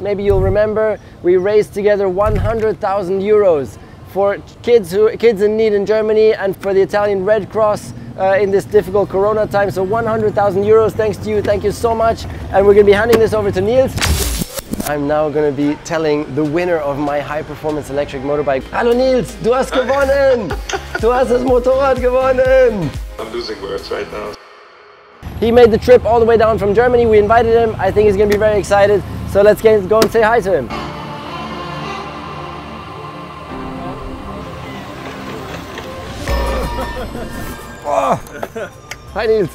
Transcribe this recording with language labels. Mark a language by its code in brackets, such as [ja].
[en] Maybe you'll remember, we raised together 100,000 euros for kids in need in Germany and for the Italian Red Cross in this difficult Corona time. So 100,000 euros, thanks to you, thank you so much. And we're gonna be handing this over to Niels. I'm now gonna be telling the winner of my high performance electric motorbike. [de] Hallo Niels, du hast gewonnen! Du hast das Motorrad gewonnen! [en] I'm losing words right now. He made the trip all the way down from Germany. We invited him. I think he's gonna be very excited. So let's go and say hi to him. Oh. Hi Niels.